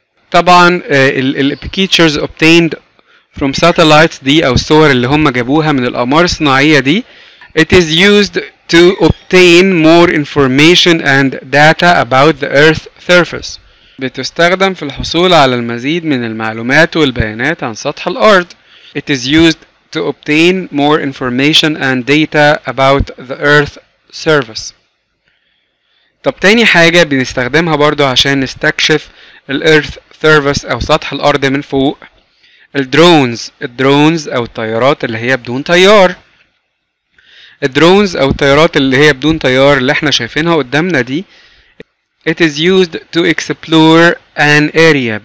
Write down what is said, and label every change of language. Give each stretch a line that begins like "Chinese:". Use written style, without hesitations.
English: طبعا البيكيتشرز obtained from satellites دي
Arabic: أو الصور اللي هم جابوها من الأقمار الصناعية دي
English: it is used to obtain more information and data about the Earth's surface.
Arabic: بتستخدم في الحصول على المزيد من المعلومات والبيانات عن سطح الأرض.
English: It is used to obtain more information and data about the Earth's surface.
Arabic: طب تاني حاجة بنستخدمها برضو عشان نستكشف الـ Earth's surface أو سطح الأرض من فوق الدرونز. الدرونز أو الطيارات اللي هي بدون طيار. الدرونز أو الطيارات اللي هي بدون طيار اللي احنا شايفينها قدامنا دي
English: It is used to explore an area.